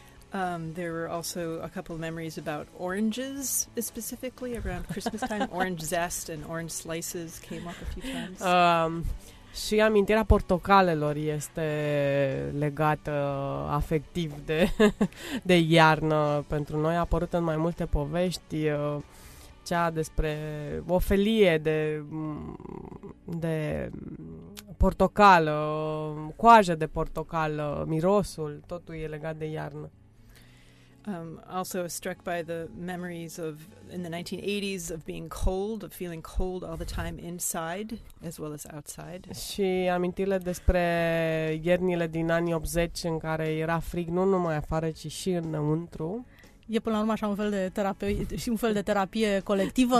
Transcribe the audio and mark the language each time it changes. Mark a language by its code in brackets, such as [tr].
[en] There were also a couple of memories about oranges, specifically around Christmas time. Orange zest and orange slices came up a few times. [ro] Și amintirea portocalelor este legată afectiv de iarnă pentru noi. A apărut în mai multe povești cea despre o felie de portocal, coajă de portocal, mirosul, totul e legat de iarnă. [en] Also struck by the memories of in the 1980s of being cold, of feeling cold all the time inside as well as outside. [ro] Și amintirile despre iernile din anii 80 în care era frig nu numai afară, ci și înăuntru. E până la urmă așa un fel de terapie și un fel de terapie colectivă.